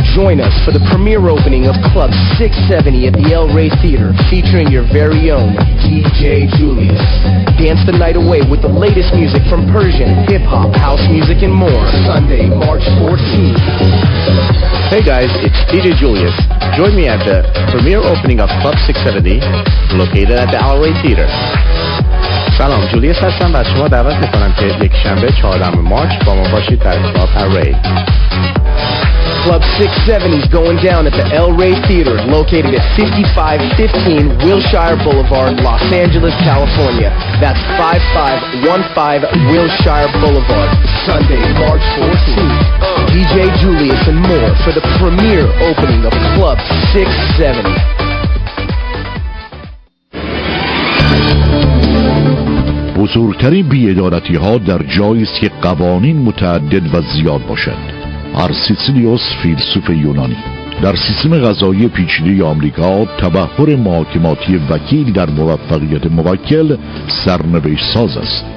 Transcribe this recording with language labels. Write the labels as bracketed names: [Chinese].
[English] Join us for the premiere opening of Club 670 at the El Rey Theater, featuring your very own DJ Julius. Dance the night away with the latest music from Persian, hip-hop, house music, and more. Sunday, March 14th. Hey guys, it's DJ Julius. Join me at the premiere opening of Club 670, located at the El Rey Theater. [Persian] سلام، جولیس هستم و از شما دعوت میکنم که یک شنبه 14 مارچ با ما باشید در کلاب ال ری. [English] Club 670 is going down at the El Rey Theater, located at 5515 Wilshire Boulevard, Los Angeles, California. That's 5515 Wilshire Boulevard, Sunday, March 14th. DJ Julius and more for the premiere opening of Club 670. [Persian] بزرگترین بی‌عدالتی‌ها در جایی است که قوانین متعدد و زیاد باشد. آرسیسیلیوس، فیلسوف یونانی. در سیستم قضایی پیچیده آمریکا، تبحر محاکماتی وکیل در موفقیت موکل سرنوشت‌ساز است.